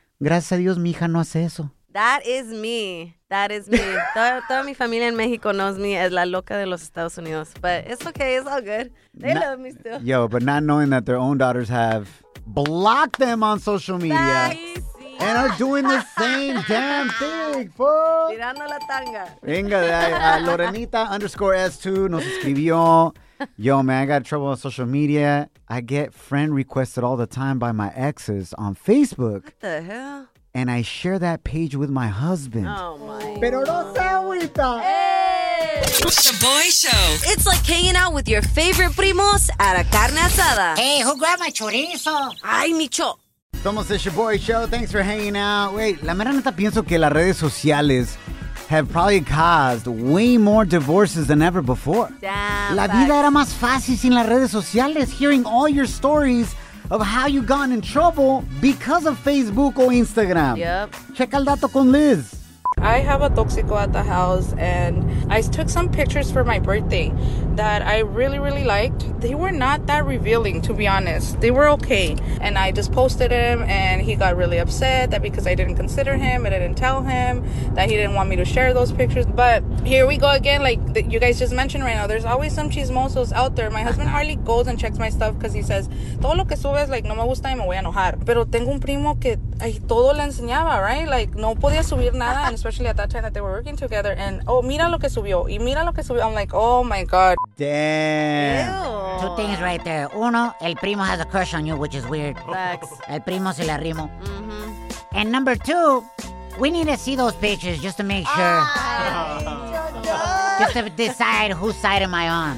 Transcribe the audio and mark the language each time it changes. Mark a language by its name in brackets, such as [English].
[Spanish] Gracias a Dios, mi hija no hace eso. [English] That is me. That is me. [Spanish] toda mi familia en México [English] knows me as [Spanish] la loca de los Estados Unidos. [English] But it's okay. It's all good. They love me still. Yo, but not knowing that their own daughters have blocked them on social media. And are doing the same damn thing, fool. [Spanish] Tirando la tanga. Venga, Lorenita _S2 nos escribió. [English] Yo, man, I got trouble on social media. I get friend requested all the time by my exes on Facebook. What the hell? And I share that page with my husband. Oh, my. [Spanish] Pero no se agüita. [English] Hey! It's the boy show. It's like hanging out with your favorite primos at a carne asada. Hey, who grabbed my chorizo? Ay, Micho. [Spanish] Somos [English] the Shaboy Show. Thanks for hanging out. Wait, [Spanish] la mera neta pienso que las redes sociales [English] have probably caused way more divorces than ever before. Damn, [Spanish] la vida era más fácil sin las redes sociales. [English] Hearing all your stories of how you got in trouble because of Facebook or Instagram. Yep. [Spanish] Checa el dato con Liz. [English] I have a toxico at the house, and I took some pictures for my birthday that I really, really liked. They were not that revealing, to be honest. They were okay. And I just posted him, and he got really upset that because I didn't consider him and I didn't tell him that he didn't want me to share those pictures. But here we go again, like you guys just mentioned right now, there's always some chismosos out there. My husband hardly goes and checks my stuff because he says, [Spanish] todo lo que subes, [English] like, [Spanish] no me gusta y me voy a enojar. Pero tengo un primo que ay, todo le enseñaba, right? [English] Like, [Spanish] no podía subir nada. [English] Especially at that time that they were working together. And, oh, [Spanish] mira lo que subió. Y mira lo que subió. [English] I'm like, oh, my God. Damn. Two things right there. [Spanish] Uno, el primo [English] has a crush on you, which is weird. Facts. [Spanish] El primo se le arrimo. [English] Mm-hmm. And number two, We need to see those pictures just to make sure. Just to decide whose side am I on.